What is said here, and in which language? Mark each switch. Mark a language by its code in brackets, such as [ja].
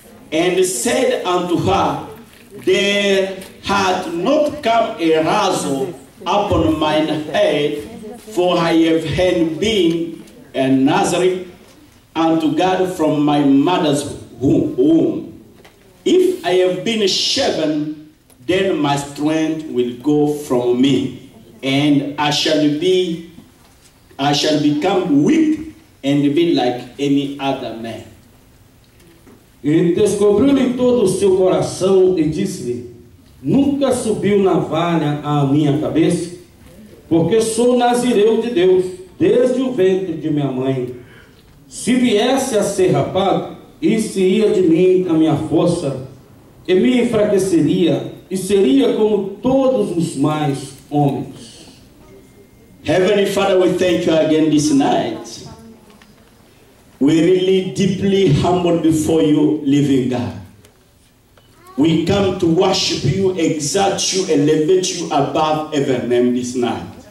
[en] and said unto her, there had not come a razor upon mine head, for I have had been a Nazarene unto God from my mother's womb. If I have been shaven, then my strength will go from me, and I shall become weak and be like any other man. [pt] E descobriu-lhe todo o seu coração e disse-lhe: nunca subiu navalha à minha cabeça, porque sou nazireu de Deus, desde o ventre de minha mãe. Se viesse a ser rapado, isso ia de mim a minha força, e me enfraqueceria, e seria como todos os mais homens. [en] Heavenly Father, we thank you again this night. We really deeply humble before you, living God. We come to worship you, exalt you, elevate you above every name this night.